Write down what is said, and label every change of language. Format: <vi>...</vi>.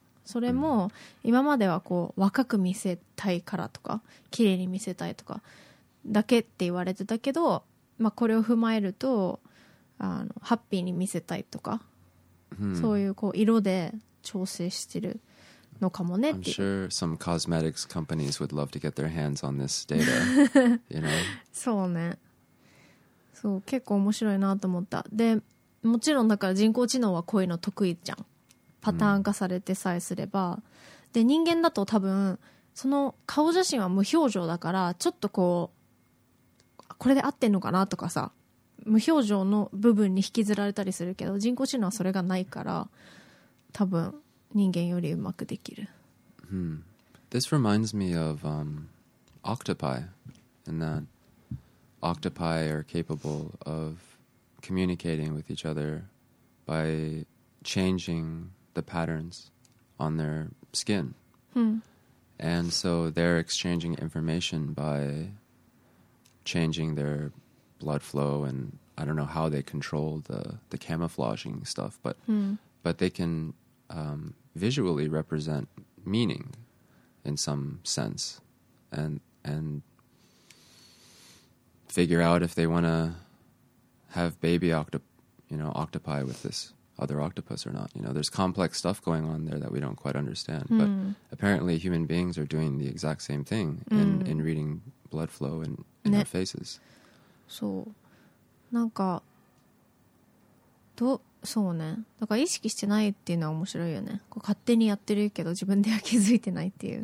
<ja>それも今まではこう若く見せたいからとか綺麗に見せたいとかだけって言われてたけど、まあこれを踏まえると、あのハッピーに見せたいとか、そういうこう色で調整してるのかもねっていう。</ja> <en>I'm sure some cosmetics companies would love to get their hands on this data. You know?</en> <ja>そうね、そう、結構面白いなと思った。でもちろんだから人工知能はこういうの得意じゃん、パターン化されてさえすれば、で人間だと多分その顔写真は無表情だから、ちょっとこうこれで合ってんのかなとかさ、無表情の部分に引きずられたりするけど、人工知能はそれがないから、多分人間よりうまくできる。</ja> <en>This reminds me of octopi, and that octopi are capable ofcommunicating with each other by changing the patterns on their skin. And so they're exchanging information by changing their blood flow and I don't know how they control the camouflaging stuff, but but they can visually represent meaning in some sense, and figure out if they want to have baby octopi with this other octopus or not. You know, there's complex stuff going on there that we don't quite understand. But apparently human beings are doing the exact same thing in reading blood flow in their faces.</en> <ja>So, なんか、と、そうね。だから意識してないっていうのは面白いよね。こう勝手にやってるけど自分では気づいてないっていう。</ja>